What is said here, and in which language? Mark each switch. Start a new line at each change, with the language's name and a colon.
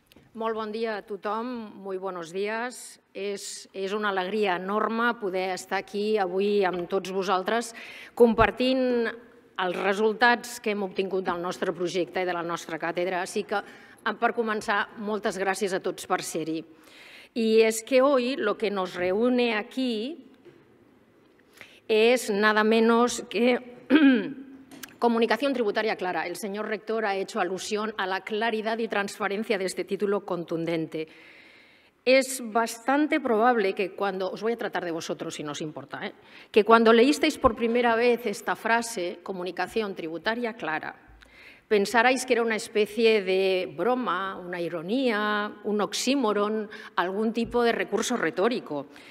Catalan: Molt bon dia a tothom,
Spanish: muy buenos días.
Catalan: És una alegria enorme poder estar aquí avui amb tots vosaltres compartint els resultats que hem obtingut del nostre projecte i de la nostra càtedra. Així que, per començar, moltes gràcies a tots per ser-hi. I és que avui el que ens
Spanish: reúne aquí és nada menos que Comunicación tributaria clara. El señor rector ha hecho alusión a la claridad y transparencia de este título contundente. Es bastante probable que cuando, os voy a tratar de vosotros si no os importa, que cuando leísteis por primera vez esta frase, comunicación tributaria clara, pensarais que era una especie de broma, una ironía, un oxímoron, algún tipo de recurso retórico.